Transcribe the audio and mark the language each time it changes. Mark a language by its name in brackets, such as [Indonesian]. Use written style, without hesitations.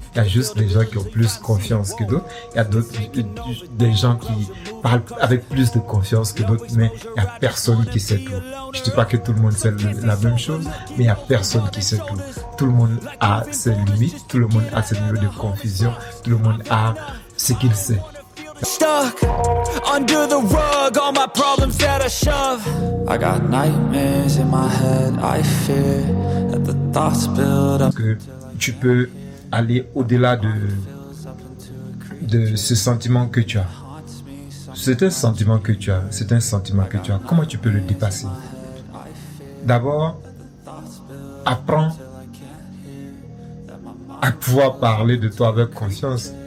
[French] Il y a juste des gens qui ont plus confiance que d'autres. Il y a d'autres, des gens qui parlent avec plus de confiance que d'autres. Mais il n'y a personne qui sait tout. Je ne dis pas que tout le monde sait la même chose, mais il n'y a personne qui sait tout. Tout le monde a ses limites. Tout le monde a ses niveaux de confusion. Tout le monde a... C'est qu'il sait. [English] Stuck under the rug, all my problems that I shove. I got nightmares in my head, I fear that the thoughts build up. [French] Que tu peux aller au-delà de ce sentiment que tu as. C'est un sentiment que tu as. C'est un sentiment que tu as. Comment tu peux le dépasser? D'abord, apprends à pouvoir parler de toi avec conscience.